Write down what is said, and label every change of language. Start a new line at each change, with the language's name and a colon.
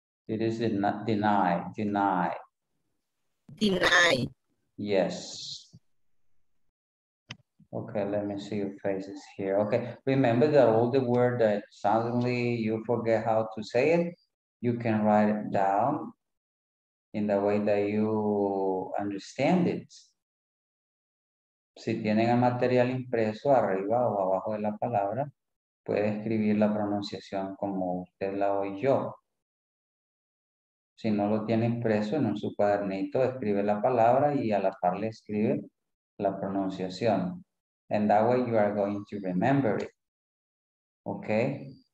English: It is denied. Yes. Okay, let me see your faces here. Okay, remember that all the word that suddenly you forget how to say it, you can write it down in the way that you understand it.
Spanish: Si tienen el material impreso arriba o abajo de la palabra, puede escribir la pronunciación como usted la oyó. Si no lo tiene impreso en su cuadernito, escribe la palabra y a la par le escribe la pronunciación.
English: And that way you are going to remember it. Okay.